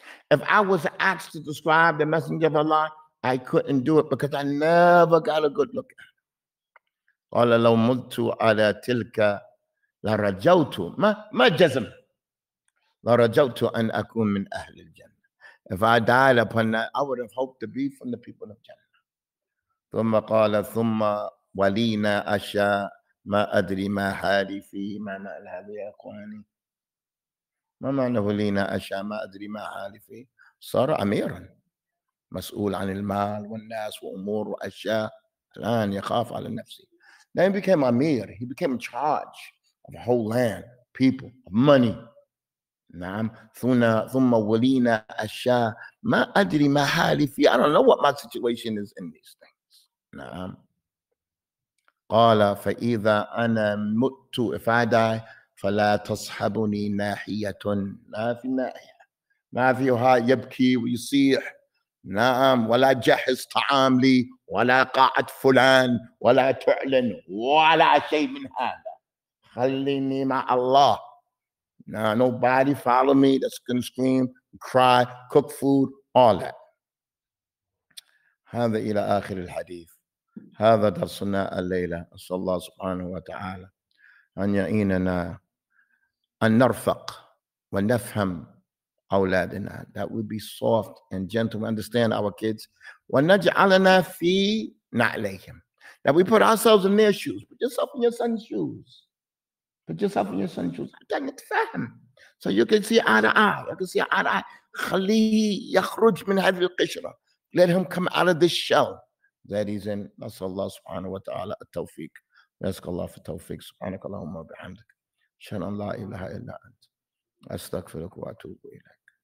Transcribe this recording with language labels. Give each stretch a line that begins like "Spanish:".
English: If I was asked to describe the messenger of Allah, I couldn't do it because I never got a good look at him.
Arabic: قال لو مت على تلك لرجوت ما جزم لرجوت أن أكون من أهل الجنة.
English: If I died upon that, I would have hoped to be from the people of Jannah.
Arabic: ثم قال ثم ولينا أشياء ما أدري ما حالي فيه. ما معنى هذا يا أخواني؟ ما معنى ولينا أشياء ما أدري ما حالي فيه؟ صار أميرا مسؤول عن المال والناس وأمور وأشياء، الآن يخاف على نفسه.
English: Then he became أمير. He became in charge of a whole land, people, of money.
Arabic: نعم. ثم ولينا أشياء ما أدري ما حالي فيه.
English: I don't know what my situation is in these things.
Arabic: نعم. قال فإذا أنا مت
English: if I die
Arabic: فلا تصحبني ناحية. ما في ناحية، ما في هو يبكي ويصيح. نعم. ولا جهز طعام لي ولا قاعة فلان ولا تعلن ولا شيء من هذا. خليني مع الله.
English: Now nobody follow me that's gonna scream, cry, cook food, all that.
Arabic: هذا إلى آخر الحديث. هذا درسنا الليلة. أسأل الله سبحانه وتعالى أن يعيننا أن نرفق ونفهم أولادنا.
English: That we be soft and gentle and understand our kids.
Arabic: ونجعلنا في نعليهم.
English: That we put ourselves in their shoes. Put yourself in your son's shoes. Put yourself in your son's shoes.
Arabic: عشان نتفهم.
English: So you can see eye to eye. You can see eye to eye.
Arabic: خليه يخرج من هذه القشرة.
English: Let him come out of this shell. That is in
Arabic: نسأل الله سبحانه وتعالى التوفيق. نسأل الله في التوفيق. سبحانك اللهم وبحمدك أشهد أن لا إله إلا أنت أستغفرك وأتوب إليك.